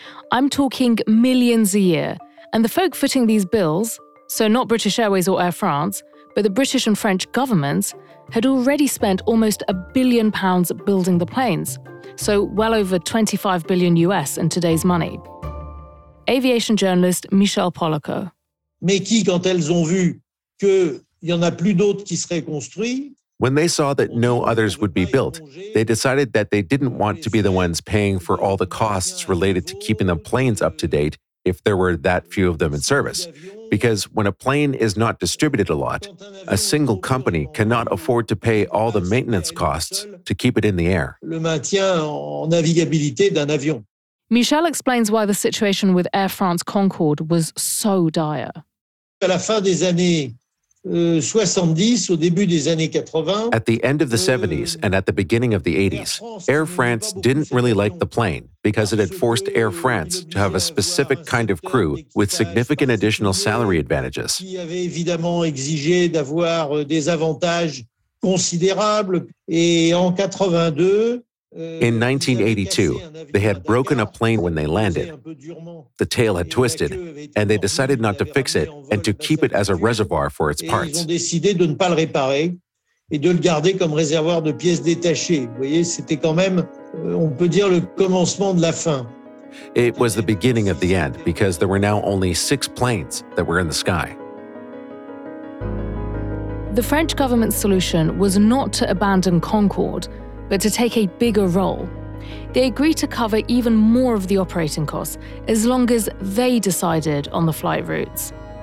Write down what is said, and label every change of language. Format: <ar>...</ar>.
<en>I'm talking millions a year, and the folk footing these bills, so not British Airways or Air France, but the British and French governments, had already spent almost £1 billion building the planes, so well over 25 billion US in today's money. Aviation journalist Michel Polaco.</en> <fr>Mais qui, quand elles ont vu que y en a plus d'autres qui seraient construits,</fr> <en>when they saw that no others would be built, they decided that they didn't want to be the ones paying for all the costs related to keeping the planes up to date if there were that few of them in service. because when a plane is not distributed a lot, a single company cannot afford to pay all the maintenance costs to keep it in the air.</en> <fr>Le maintien en navigabilité d'un avion.</fr> <en>Michel explains why the situation with Air France Concorde was so dire.</en> <fr>À la fin des années 70, au début des années 80,</fr> <en>at the end of the 70s and at the beginning of the 80s, Air France didn't really like the plane because it had forced Air France to have a specific kind of crew with significant additional salary advantages.</en> <fr>Qui avait évidemment exigé d'avoir des avantages considérables. Et en 82,</fr> <en>in 1982, they had broken a plane when they landed. The tail had twisted, and they decided not to fix it and to keep it as a reservoir for its parts.</en> <fr>Ils ont décidé de ne pas le réparer et de le garder comme réservoir de pièces détachées. Vous voyez, c'était quand même, on peut dire, le commencement de la fin.</fr> <en>It was the beginning of the end because there were now only six planes that were in the sky. The French government's solution was not to abandon Concorde, but to take a bigger role. They agreed to cover even more of the operating costs as long as they decided on the flight routes.</en>